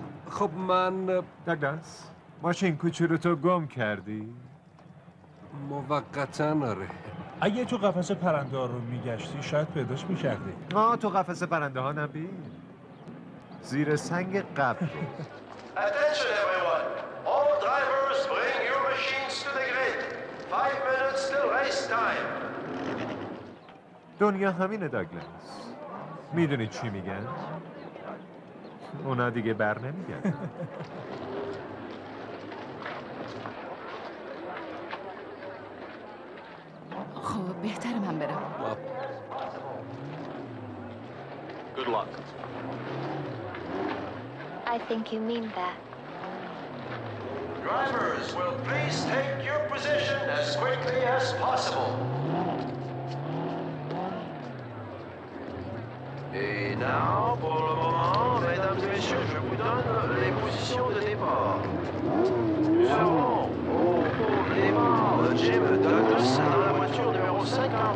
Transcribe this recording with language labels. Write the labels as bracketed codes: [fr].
[fa] خب من دگلاس ماشین کوچولو رو تو گم کردی؟ موقتاً آره. اگه تو قفس پرنده ها رو میگشتی شاید پیداش میکردی. آه تو قفس پرنده ها نبی؟ زیر سنگ قبر. [en] Attention everyone! All drivers bring your machines to the grid. 5 minutes till race time. [fa] دنیا همینه داگلاس. میدونی چی میگن؟ اونا دیگه بر نمیگن. خب بهتره من برم. [en] Good luck. I think you mean that. Drivers, will please take your position as quickly as possible. [fr] Et [en] now, [fr] pour le moment, mesdames et messieurs, je vous donne les positions de départ. Nous serons au départ de Jim Douglas dans la voiture numéro 53.